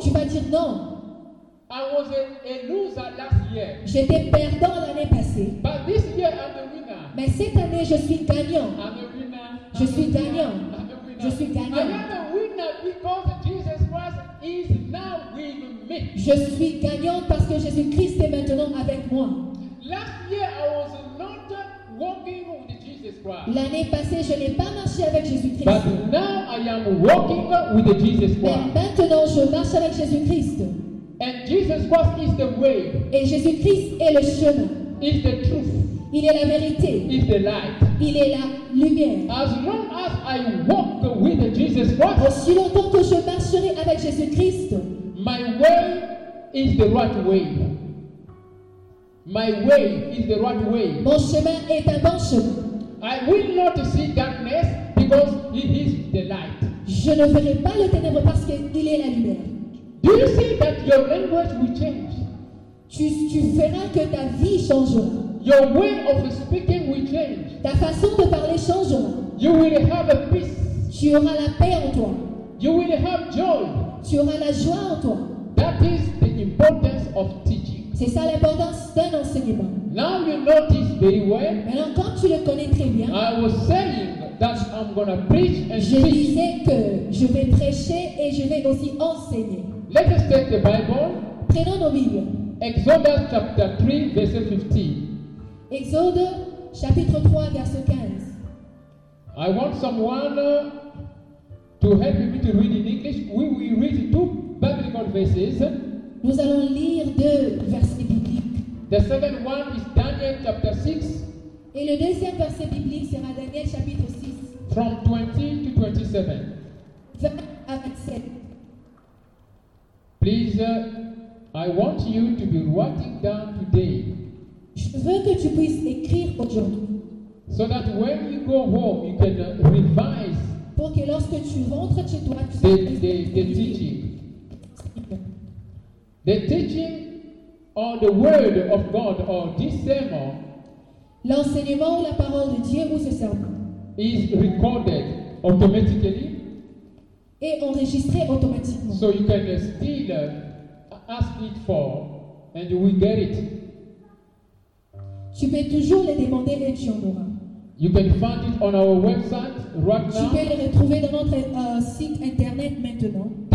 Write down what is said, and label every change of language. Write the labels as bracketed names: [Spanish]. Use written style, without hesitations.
[French] Tu vas dire non. [English] I was a loser last year. [French] J'étais perdant l'année passée. [English] But this year, I'm the winner. [French] Mais cette année, je suis gagnant. [English] I'm the winner. [French] Je [English] I'm [French] suis [English] winner. [French] Gagnant. [English] I'm the winner. [French] Je suis gagnant. [English] I am the winner because Jesus Christ is now with me. [French] Je suis gagnant parce que Jésus-Christ est maintenant avec moi. [English] Last year, I was not walking with Jesus Christ. [French] L'année passée, je n'ai pas marché avec Jésus-Christ. [English] But now I am walking with Jesus Christ. [French] Mais maintenant, je marche avec Jésus-Christ. [English] And Jesus Christ is the way. [French] Et Jésus-Christ est le chemin. [English] Is the truth. [French] Il est la vérité. [English] Is the light. [French] Il est la lumière. [English] As long as I walk with Jesus Christ, [French] aussi longtemps que je marcherai avec Jésus-Christ, [English] my way is the right way. My way is the right way. [French] Mon chemin est un bon chemin. [English] I will not see darkness because it is the light. [French] Je ne verrai pas le ténèbre parce qu'il est la lumière. [English] Do you see that your language will change? [French] Tu verras que ta vie changera. [English] Your way of speaking will change. [French] Ta façon de parler changera. [English] You will have a peace. [French] Tu auras la paix en toi. [English] You will have joy. [French] Tu auras la joie en toi. [English] That is the importance of teaching. [French] C'est ça l'importance d'un enseignement. [English] Now you know this very well. [French] Maintenant, quand tu le connais très bien, [English] I was saying that I'm gonna preach and [French] je Disais que je vais prêcher et je vais aussi enseigner. [English] Let us take the Bible. [French] Prenons nos Bibles. [English] Exodus chapter 3, verse 15. [French] Exode chapitre 3, verse 15. [English] I want someone to help me to read in English. We will read two biblical verses. [French] Nous allons lire deux versets bibliques. [English] The second one is Daniel chapter 6. [French] Et le deuxième verset biblique sera Daniel chapitre 6. [English] From 20 to 27. [French] 20 à 27. [English] Please, I want you to be writing down today. [French] Je veux que tu puisses écrire aujourd'hui. [English] So that when you go home, you can revise. [French] Pour que lorsque tu rentres chez toi, tu puisses étudier. [English] The teaching. The teaching or the word of God or this sermon. [French] L'enseignement ou la parole de Dieu ou ce sermon. [English] Is recorded automatically. [French] Et enregistré automatiquement. [English] So you can still ask it for, and you will get it. [French] Tu peux toujours le demander et tu en auras. [English] You can find it on our website right [French] tu [English] now. [French] Tu peux le retrouver dans notre site internet maintenant.